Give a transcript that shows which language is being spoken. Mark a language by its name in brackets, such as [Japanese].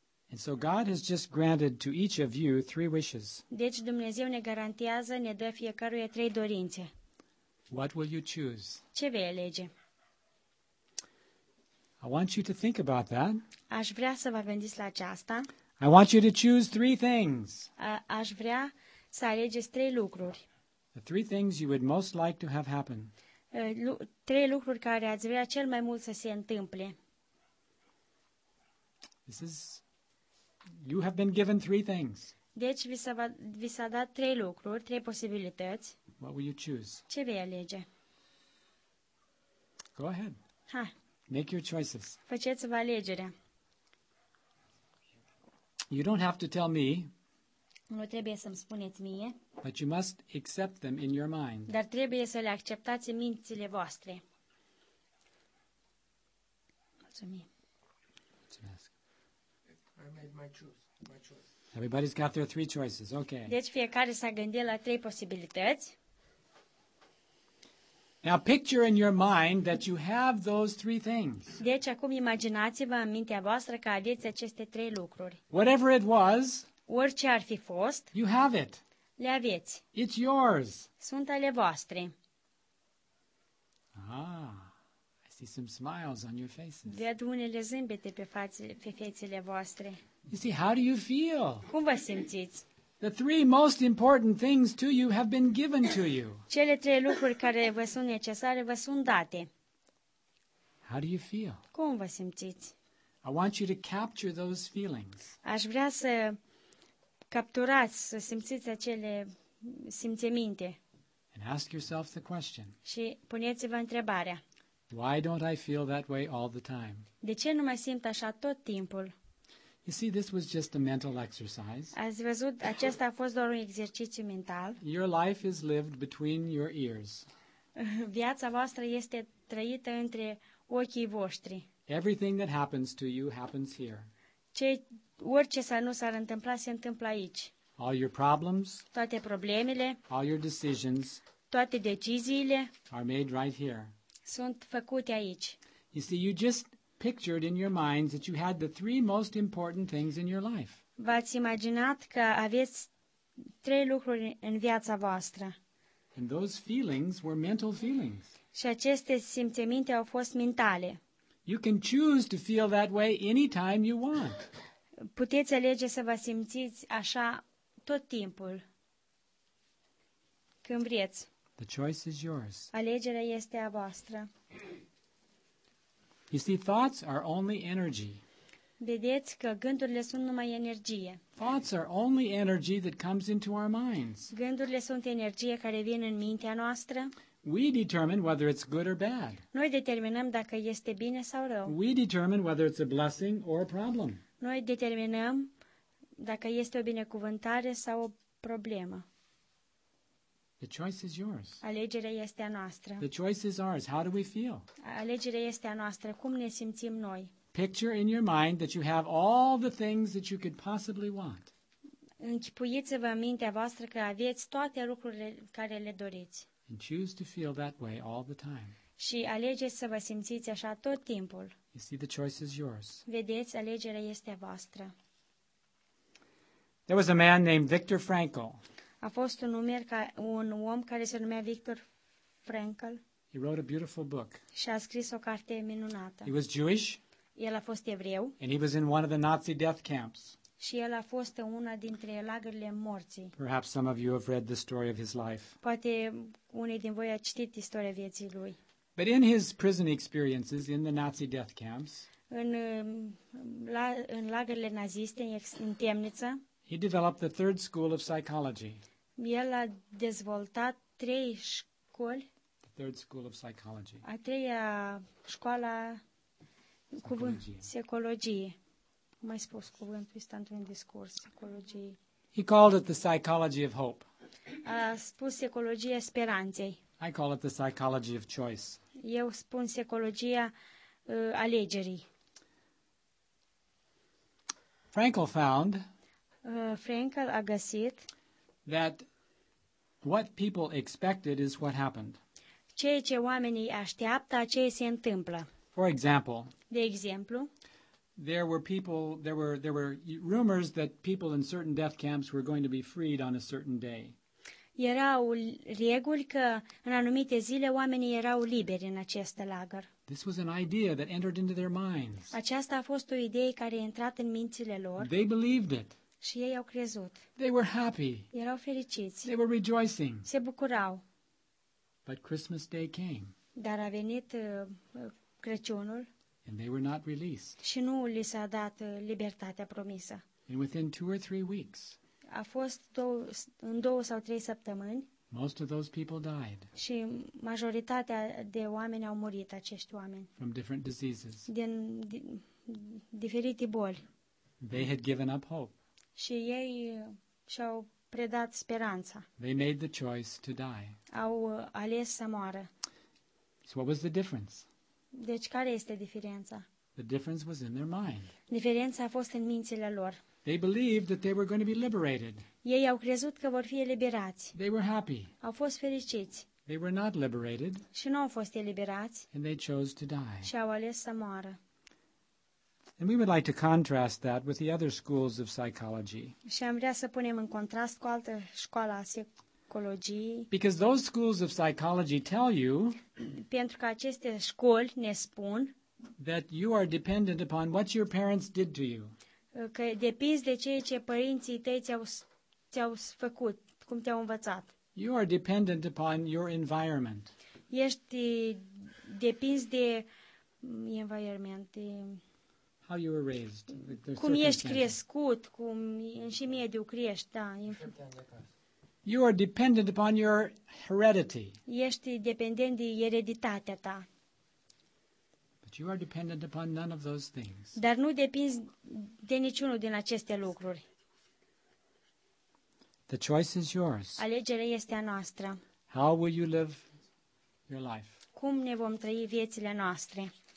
[English] And so God has just granted to each of you 3 wishes. [Romanian] Deci Dumnezeu ne garantează, ne dă fiecăruia 3 dorințe. [English] What will you choose? [Romanian] Ce vei alege? [English] I want you to think about that. [Romanian] Aș vrea să vă gândiți la aceasta. [English] I want you to choose 3 things. [Romanian] Aș vrea să alegeți 3 lucruri. [English] The 3 things you would most like to have happen. [Romanian] 3 lucruri care ați vrea cel mai mult să se întâmple. [English] This is, you have been given 3 things. [Romanian] Deci vi s-a dat 3 lucruri, 3 posibilități. [English] What will you choose? [Romanian] Ce vei alege? [English] Go ahead. Ha. Make your choices. [Romanian] Faceți-vă alegerea. [English] You don't have to tell me. [Romanian] Nu trebuie să-mi spuneți mie. [English] But you must accept them in your mind. [Romanian] Dar trebuie să le acceptați în mințile voastre. Mulțumesc. [English] I made my choice. Everybody's got their 3 choices. Okay. [Romanian] Deci fiecare s-a gândit la 3 posibilități. [English] Now picture in your mind that you have those 3 things. [Romanian] Deci acum imaginați-vă în mintea voastră că aveți aceste 3 lucruri. [English] Whatever it was, [Romanian] orice ar fi fost, [English] you have it. [Romanian] Le aveți. [English] It's yours. [Romanian] Sunt ale voastre. [English] Ah. I see some smiles on your faces. [Romanian] Văd unele zâmbete pe fețele voastre. [English] You see, how do you feel? [Romanian] Cum vă simțiți? [English] The three most important things to you have been given to you. [Romanian] Cele trei lucruri care vă sunt necesare vă sunt date. [English] How do you feel? [Romanian] Cum vă simțiți? [English] I want you to capture those feelings. [Romanian] Aș vrea să capturați, să simțiți acele simțeminte. [English] And ask yourself the question. [Romanian] Și puneți-vă întrebarea. [English] Why don't I feel that way all the time? [Romanian] De ce nu mă simt așa tot timpul? [English] You see, this was just a mental exercise. [Romanian] Ați văzut, acesta a fost doar un exercițiu mental. [English] Your life is lived between your ears. [Romanian] Viața voastră este trăită între ochii voștri. [English] Everything that happens to you happens here. [Romanian] Orice s-ar întâmpla se întâmplă aici. [English] All your problems, [Romanian] toate problemele, [English] all your decisions, [Romanian] toate deciziile, [English] are made right here. [Romanian] Sunt făcute aici. [English] You see, you just pictured in your minds that you had the three most important things in your life. [Romanian] V-ați imaginat că aveți trei lucruri în viața voastră. [English] And those feelings were mental feelings. [Romanian] Și aceste simțeminte au fost mentale. [English] You can choose to feel that way anytime you want. [Romanian] Puteți alege să vă simțiți așa tot timpul. Când vreți. [English] The choice is yours. [Romanian] Alegerea este a voastră. [English] You see, thoughts are only energy. [Romanian] Vedeți că gândurile sunt numai energie. [English] Thoughts are only energy that comes into our minds. [Romanian] Gândurile sunt energie care vin în mintea noastră. [English] We determine whether it's good or bad. [Romanian] Noi determinăm dacă este bine sau rău. [English] We determine whether it's a blessing or a problem. [Romanian] Noi determinăm dacă este o binecuvântare sau o problemă. [English] The choice is yours. [Romanian] Alegerea este a noastră. [English] The choice is ours. How do we feel? [Romanian] Alegerea este a noastră. Cum ne simțim noi? [English] Picture in your mind that you have all the things that you could possibly want. [Romanian] Închipuiți-vă în mintea voastră că aveți toate lucrurile care le doriți. [English] And choose to feel that way all the time. [Romanian] Și alegeți să vă simțiți așa tot timpul. [English] You see, the choice is yours. [Romanian] Vedeți, alegerea este a voastră. [English] There was a man named Viktor Frankl. [Romanian] A fost un om care se numea Viktor Frankl. [English] He wrote a beautiful book. [Romanian] Și a scris o carte minunată. [English] He was Jewish. [Romanian] El a fost evreu. [English] And he was in one of the Nazi death camps. [Romanian] Și el a fost în una dintre lagările morții. [English] Perhaps some of you have read the story of his life. [Romanian] Poate unii din voi a citit istoria vieții lui. [English] But in his prison experiences in the Nazi death camps, [Romanian] în lagările naziste, în temniță, [English] he developed the third school of psychology. [Romanian] El a dezvoltat trei școli. [English] The third school of psychology. [Romanian] A treia școală psihologie. Am mai spus cuvântul ăsta într-un discurs, psihologie. [English] He called it the psychology of hope. [Romanian] A spus psihologia speranței. [English] I call it the psychology of choice. [Romanian] Eu spun psihologia alegerii. [English] Frankl found [Romanian] Frankl a găsit [English] that what people expected is what happened. [Romanian] Ceea ce oamenii așteaptă, ceea ce se întâmplă. [English] For example, [Romanian] de exemplu, [English] there were rumors that people in certain death camps were going to be freed on a certain day. [Romanian] Erau reguli că în anumite zile oamenii erau liberi în acest lagăr. [English] This was an idea that entered into their minds. [Romanian] Aceasta a fost o idee care a intrat în mințile lor. [English] They believed it. [Romanian] Și ei au crezut. [English] They were happy. [Romanian] Erau fericiți. [English] They were rejoicing. [Romanian] Se bucurau. [English] But Christmas Day came. [Romanian] Dar a venit Crăciunul. [English] And they were not released. [Romanian] Și nu li s-a dat libertatea promisă. [English] And within two or three weeks. [Romanian] A fost în două sau trei săptămâni. [English] Most of those people died. [Romanian] Și majoritatea de oameni au murit, acești oameni. [English] From different diseases. [Romanian] Din diferite boli. [English] They had given up hope. [Romanian] Și ei și-au predat speranța. [English] They made the choice to die. [Romanian] Au ales să moară. [English] So what was the difference? [Romanian] Deci care este diferența? [English] The difference was in their mind. [Romanian] Diferența a fost în mințile lor. [English] They believed that they were going to be liberated. [Romanian] Ei au crezut că vor fi eliberați. [English] They were happy. [Romanian] Au fost fericiți. [English] They were not liberated. [Romanian] Și nu au fost eliberați. [English] And they chose to die. [Romanian] Și au ales să moară. [English] And we would like to contrast that with the other schools of psychology. [Romanian] Și am vrea să punem în contrast cu altă școală a psihologiei. [English] Because those schools of psychology tell you [Romanian] pentru că aceste școli ne spun [English] that you are dependent upon what your parents did to you. [Romanian] că depinzi de ceea ce părinții tăi ți-au făcut, cum te-au învățat. [English] You are dependent upon your environment. [Romanian] Ești depins de environment. [English] How you were raised. [Romanian] Cum ești crescut, cum în ce mediu crești, da. [English] You are dependent upon your heredity. [Romanian] Ești dependent de ereditatea ta. [English] But you are dependent upon none of those things. [Romanian] Dar nu depinzi de niciunul din aceste lucruri. [English] The choice is yours. [Romanian] Alegerea este a noastră. [English] How will you live your life? [Romanian] Cum ne vom trăi viețile noastre?